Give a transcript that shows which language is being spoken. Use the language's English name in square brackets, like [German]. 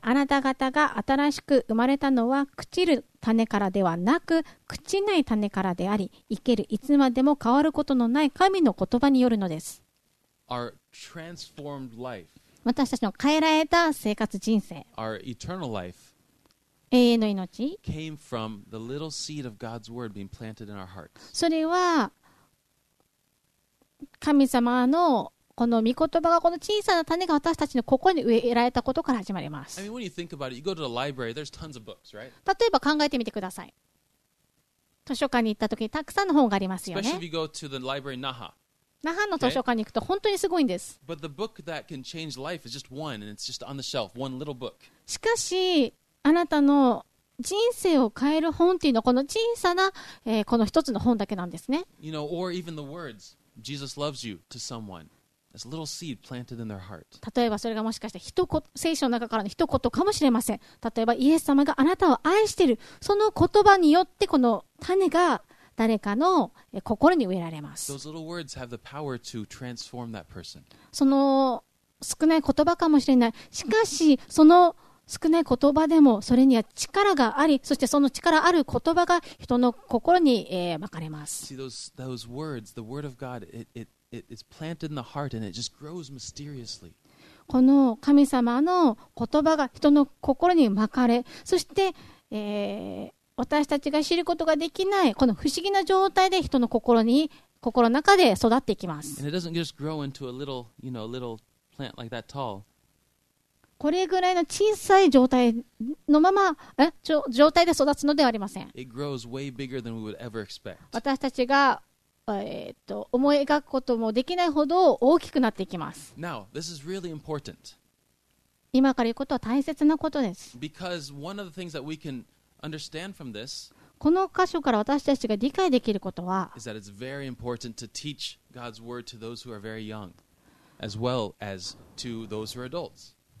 [Japanese] あなた方が新しく生まれたのは朽ちる種からではなく朽ちない種からであり、生けるいつまでも変わることのない神の言葉によるのです。 [English] Our transformed life, [Japanese] 私たちの変えられた生活人生、 [English] Our eternal life, [Japanese] 永遠の命、 [English] came from the little seed of God's word being planted in our hearts. [Japanese] それは神様のこの御言葉が、この小さな種が私たちのここに植えられたことから始まります。 [English] I mean, when you think about it, you go to the library, there's tons of books, right? [Japanese] 例えば考えてみてください。図書館に行った時にたくさんの本がありますよね。 [English] Especially if you go to the library in Naha. [Japanese] 那覇の図書館に行くと本当にすごいんです。 [English] But the book that can change life is just one, and it's just on the shelf, one little book. [Japanese] しかしあなたの人生を変える本っていうのはこの小さな、この一つの本だけなんですね。 [English] You know, or even the words, Jesus loves you to someone. It's a little seed planted in their heart. [Japanese] 例えばそれがもしかして聖書の中からの一言かもしれません。例えばイエス様があなたを愛している。その言葉によってこの種が誰かの心に植えられます。 [English] Those little words have the power to transform that person. [Japanese] その少ない言葉かもしれない。しかしその少ない言葉でもそれには力があり、そしてその力ある言葉が人の心に、まかれます。 [English] See those words, the word of God, it's planted in the heart and it just grows mysteriously. [Japanese] この神様の言葉が人の心にまかれ、そして、私たちが知ることができないこの不思議な状態で人の心に、心の中で育っていきます。 [English] And it doesn't just grow into a little, you know, a little plant like that tall. [Japanese] これぐらいの小さい状態のまま、状態で育つのではありません。 [English] It grows way bigger than we would ever expect. [Japanese] 私たちが、思い描くこともできないほど大きくなっていきます。 [English] Now, this is really important. [Japanese] 今から言うことは大切なことです。 [English] Because one of the things that we can understand from this, [Japanese] この箇所から私たちが理解できることは、 [English] is that it's very important to teach God's word to those who are very young, as well as to those who are adults.